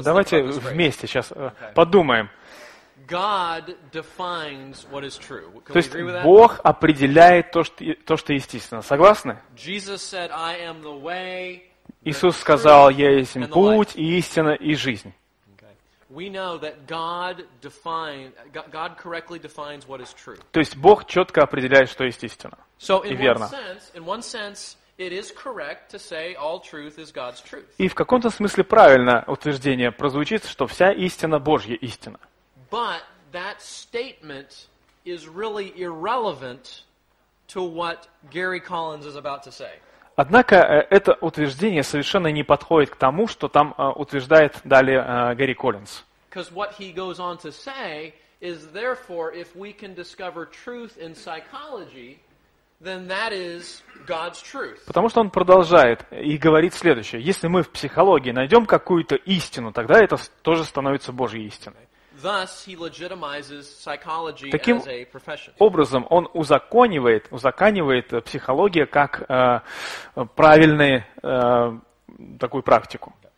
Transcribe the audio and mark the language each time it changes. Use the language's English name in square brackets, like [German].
[Russian] Давайте вместе сейчас подумаем. [English] God defines what is true. [Russian] То есть Бог определяет то, что естественно. Согласны? [English] Jesus said, "I am the way." [Russian] Иисус сказал: "Я есть путь и истина и жизнь." [English] We know that God correctly defines what is true. [Russian] То есть Бог четко определяет, что есть истина. [English] So [Russian] и верно. [English] In one sense, it is correct to say all truth is God's truth. [Russian] И в каком-то смысле правильно утверждение прозвучит, что вся истина Божья истина. [English] But that statement is really irrelevant to what Gary Collins is about to say. [Russian] Однако это утверждение совершенно не подходит к тому, что там утверждает далее Гэри Коллинз. [English] Because what he goes on to say is, therefore, if we can discover truth in psychology, then that is God's truth. [Russian] Потому что он продолжает и говорит следующее: если мы в психологии найдем какую-то истину, тогда это тоже становится Божьей истиной. [English] Thus, he legitimizes psychology [Russian] Таким [English] as a profession. [Russian] Образом, он узаканивает психологию как правильную такую практику.